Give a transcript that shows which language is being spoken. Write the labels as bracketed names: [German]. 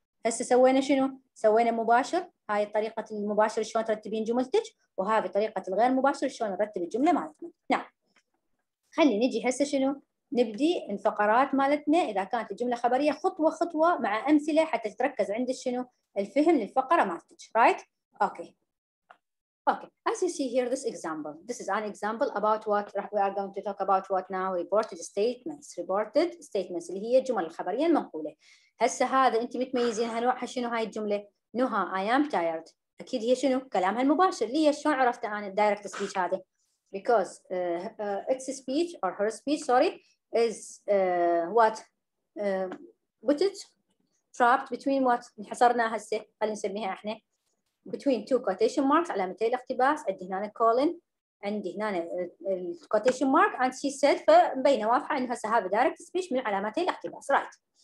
[Arabic] هسه سوينا شنو؟ سوينا مباشر، هاي طريقه المباشر شلون ترتبين جملتك، وهذه طريقه الغير مباشر شلون نرتب الجمله مالتنا. نعم. خلي نجي هسه شنو؟ نبدي الفقرات مالتنا اذا كانت الجمله خبريه خطوه خطوه مع امثله حتى تتركز عند شنو؟ الفهم للفقره مالتك، رايت؟ اوكي. [English] Okay, as you see here this example. This is an example about what we are going to talk about what now reported statements. Reported statements [Arabic] اللي هي الجمل الخبريه المنقوله. هسه هذا انت متميزينها نوعها شنو هاي الجمله؟ نهى [English] I am tired. [Arabic] اكيد هي شنو؟ كلامها المباشر. ليش؟ شلون عرفت انا الدايركت سبيتش هذه؟ [English] because its speech or her speech, sorry, is what put it trapped between what [Arabic] انحصرنا هسه خلينا نسميها احنا [English] between two quotation marks [Arabic] علامتي الاقتباس عندي هنا [English] colon [Arabic] عندي هنا [English] quotation mark and she said [Arabic] فمبينه واضحه انه هسه هذا [English] direct speech [Arabic] من علامات الاقتباس [English] right.